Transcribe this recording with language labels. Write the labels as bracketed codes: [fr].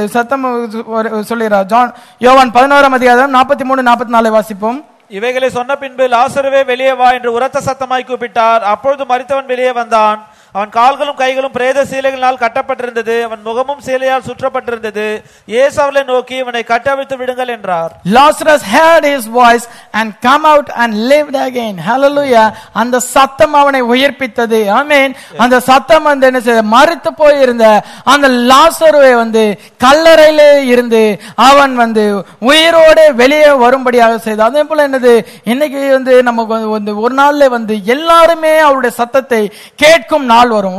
[ta] சத்தம் சொல்லுகிறார். ஜான் யோவான் 16:43-44 வாசிப்போம். இவைகளை சொன்ன பின்பு லாசருவே வெளியே வா என்று உரத்த சத்தமாய் கூப்பிட்டார். அப்பொழுது மரித்தவன் வெளியே வந்தான். அவன் கால்களும் கைகளும் பிரேத சீலைகளால் கட்டப்பட்டிருந்தது. அவன் முகமும் சீலையால் சுற்றப்பட்டிருந்தது. இயேசு அவர்களை நோக்கி, இவனை கட்டவிழ்த்து விடுங்கள் என்றார். [en] Lazarus heard his voice and come out and lived again. [ta] Hallelujah. அந்த சத்தம் அவனை உயிர்ப்பித்தது. ஆமென். அந்த சத்தம் வந்து என்ன செய்ய, மரித்து போயிருந்த அந்த லாசருவை வந்து கல்லறையில இருந்து அவன் வந்து உயிரோடு வெளியே வரும்படியாக செய்தது. அதே போல என்னது, இன்னைக்கு வந்து நமக்கு வந்து ஒரு நாள்ல வந்து எல்லாருமே அவருடைய சத்தத்தை கேட்கும் நாள் வரும்.